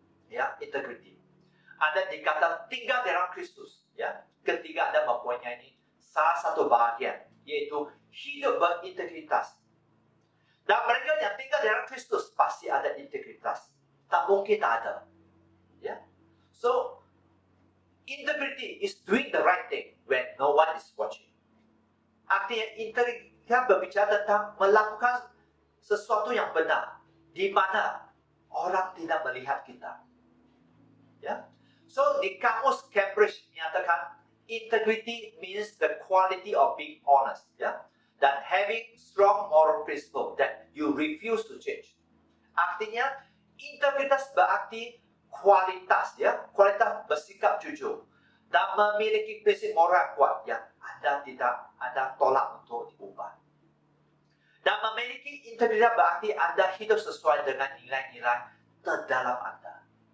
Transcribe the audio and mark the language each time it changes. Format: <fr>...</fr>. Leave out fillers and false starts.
<id>Ya, integrity. Anda dikata tinggal dalam Kristus, ya. Ketika Anda mempunyai ini, salah satu bahagian, yaitu hidup berintegritas. Dan mereka yang tinggal dalam Kristus pasti ada integritas. Tak mungkin tak ada, ya.</id> <en>So, integrity is doing the right thing when no one is watching.</en> <id>Artinya integritas berbicara tentang melakukan sesuatu yang benar di mana orang tidak melihat kita, ya.</id> <en>So,</en> <id>di kamus Cambridge menyatakan</id> <en>integrity means the quality of being honest, yeah?</en> <id>Dan</id> <en>having strong moral principle that you refuse to change.</en> <id>Artinya, integritas berarti kualitas, yeah? Kualitas bersikap jujur dan memiliki prinsip moral kuat yang Anda tolak untuk diubah. Dan memiliki integritas berarti Anda hidup sesuai dengan nilai-nilai terdalam Anda.</id>